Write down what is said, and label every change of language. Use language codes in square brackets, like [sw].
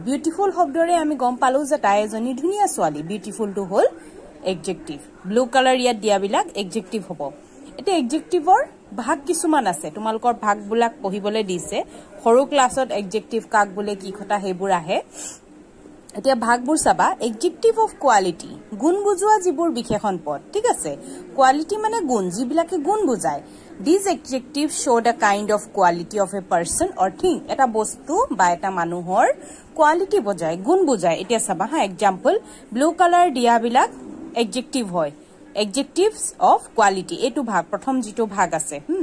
[as] Beautiful শব্দৰে আমি গম পালো যে তাই এজনী ধুনীয়া ছোৱালী, বিউটিফুলটো হল এডজেক্টিভ। ব্লু কালাৰ ইয়াত দিয়াবিলাক এডজেক্টিভ হব। এতিয়া এডজেক্টিভৰ ভাগ কিছুমান আছে, তোমালোকৰ ভাগবিলাক পঢ়িবলৈ দিছে সৰু ক্লাছত, এডজেক্টিভ কাক বোলে কি কথা সেইবোৰ আহে। এতিয়া ভাগবোৰ চাবা, এডজেক্টিভ অফ কোৱালিটি, গুণ বুজোৱা যিবোৰ বিশেষণ পদ। ঠিক আছে, কোৱালিটি মানে গুণ, যিবিলাকে গুণ বুজায়। [en] these adjective show the kind of quality of a person or thing, [as] এটা বস্তু বা এটা মানুহৰ কোৱালিটি বুজায়, গুণ বুজায়। এতিয়া চাবা হা, এক্সাম্পল ব্লু কালাৰ দিয়াবিলাক এডজেক্টিভ হয়, এডজেক্টিভ অফ কোৱালিটি, এইটো ভাগ, প্ৰথম যিটো ভাগ আছে।